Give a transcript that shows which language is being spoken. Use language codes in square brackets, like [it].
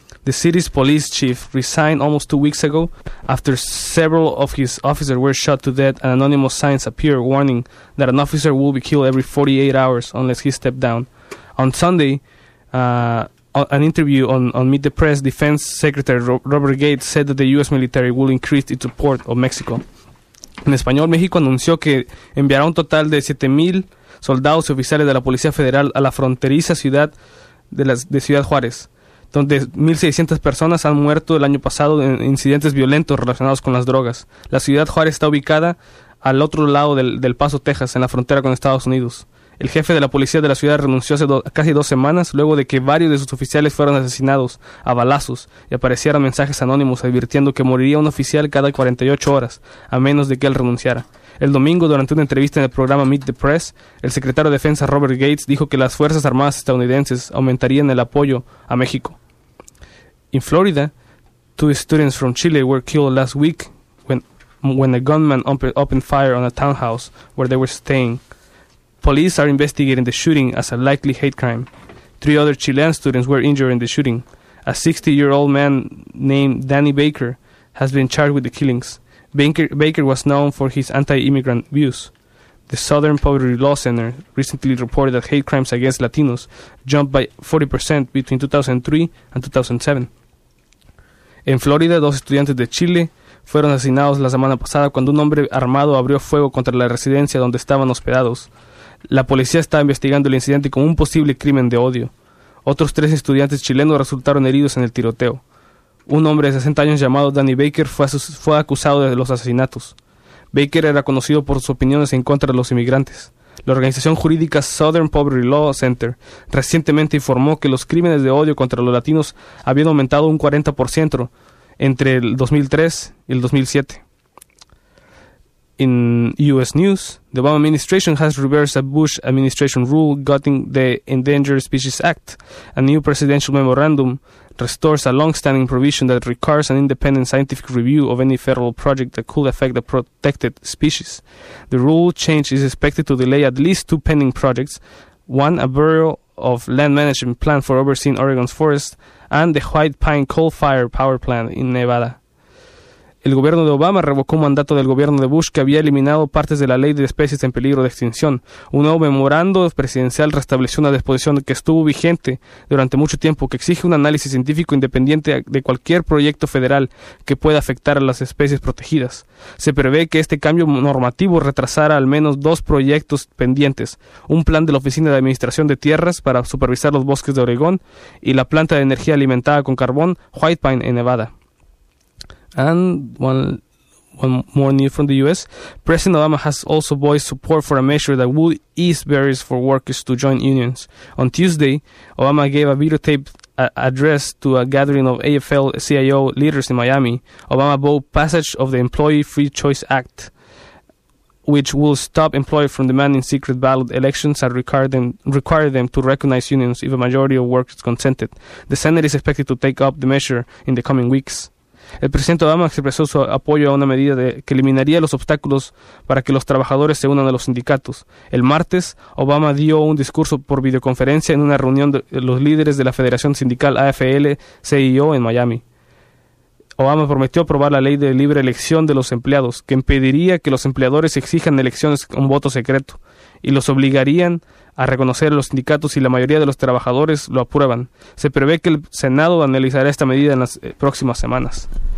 [en] The city's police chief resigned almost 2 weeks ago after several of his officers were shot to death and anonymous signs appeared warning that an officer will be killed every 48 hours unless he stepped down. On Sunday, an interview on Meet the Press, Defense Secretary Robert Gates said that the U.S. military will increase its support of Mexico. [es] En español, México anunció que enviará un total de 7,000 soldados y oficiales de la Policía Federal a la fronteriza ciudad de Ciudad Juárez, donde 1,600 personas han muerto el año pasado en incidentes violentos relacionados con las drogas. La Ciudad Juárez está ubicada al otro lado del Paso, Texas, en la frontera con Estados Unidos. El jefe de la policía de la ciudad renunció hace casi 2 semanas luego de que varios de sus oficiales fueran asesinados a balazos y aparecieran mensajes anónimos advirtiendo que moriría un oficial cada 48 horas, a menos de que él renunciara. El domingo, durante una entrevista en el programa Meet the Press, el secretario de Defensa Robert Gates dijo que las Fuerzas Armadas estadounidenses aumentarían el apoyo a México. [en] In Florida, 2 students from Chile were killed last week when a gunman opened fire on a townhouse where they were staying. Police are investigating the shooting as a likely hate crime. 3 other Chilean students were injured in the shooting. A 60-year-old man named Danny Baker has been charged with the killings. Baker was known for his anti-immigrant views. The Southern Poverty Law Center recently reported that hate crimes against Latinos jumped by 40% between 2003 and 2007. [es] En Florida, 2 estudiantes de Chile fueron asesinados la semana pasada cuando un hombre armado abrió fuego contra la residencia donde estaban hospedados. La policía está investigando el incidente como un posible crimen de odio. Otros 3 estudiantes chilenos resultaron heridos en el tiroteo. Un hombre de 60 años llamado Danny Baker fue acusado de los asesinatos. Baker era conocido por sus opiniones en contra de los inmigrantes. La organización jurídica Southern Poverty Law Center recientemente informó que los crímenes de odio contra los latinos habían aumentado un 40% entre el 2003 y el 2007. [en] In U.S. news, the Obama administration has reversed a Bush administration rule gutting the Endangered Species Act. A new presidential memorandum restores a long-standing provision that requires an independent scientific review of any federal project that could affect a protected species. The rule change is expected to delay at least 2 pending projects, one, a Bureau of Land Management plan for overseeing Oregon's forests, and the White Pine Coal Fire Power Plant in Nevada. [es] El gobierno de Obama revocó un mandato del gobierno de Bush que había eliminado partes de la ley de especies en peligro de extinción. Un nuevo memorando presidencial restableció una disposición que estuvo vigente durante mucho tiempo, que exige un análisis científico independiente de cualquier proyecto federal que pueda afectar a las especies protegidas. Se prevé que este cambio normativo retrasara al menos 2 proyectos pendientes, un plan de la Oficina de Administración de Tierras para supervisar los bosques de Oregón y la planta de energía alimentada con carbón White Pine en Nevada. [en] And one more news from the U.S., President Obama has also voiced support for a measure that would ease barriers for workers to join unions. On Tuesday, Obama gave a videotaped address to a gathering of AFL-CIO leaders in Miami. Obama vowed passage of the Employee Free Choice Act, which will stop employers from demanding secret ballot elections and require them to recognize unions if a majority of workers consented. The Senate is expected to take up the measure in the coming weeks. [es] El presidente Obama expresó su apoyo a una medida que eliminaría los obstáculos para que los trabajadores se unan a los sindicatos. El martes, Obama dio un discurso por videoconferencia en una reunión de los líderes de la Federación Sindical AFL-CIO en Miami. Obama prometió aprobar la ley de libre elección de los empleados, que impediría que los empleadores exijan elecciones con voto secreto, y los obligarían a reconocer a los sindicatos si la mayoría de los trabajadores lo aprueban. Se prevé que el Senado analizará esta medida en las próximas semanas.